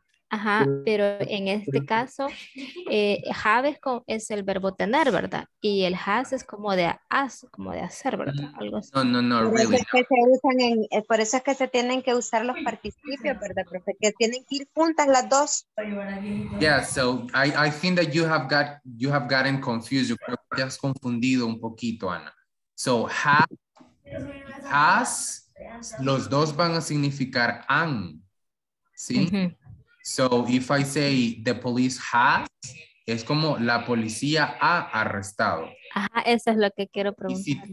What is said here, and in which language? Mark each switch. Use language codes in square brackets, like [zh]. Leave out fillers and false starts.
[es] Ajá, pero en este caso, have es el verbo tener, ¿verdad? Y el has es como de has, como de hacer, ¿verdad? Algo así. [en] No, really. [es] Por eso es que se tienen que usar los participios, ¿verdad, profe? Que tienen que ir juntas las dos. [en] Yeah, so I think that you have gotten confused. [es] Creo que te has confundido un poquito, Ana. So has, los dos van a significar han, ¿sí? [en] Mm-hmm. So if I say the police has, [es] es como la policía ha arrestado. Ajá, eso es lo que quiero preguntar.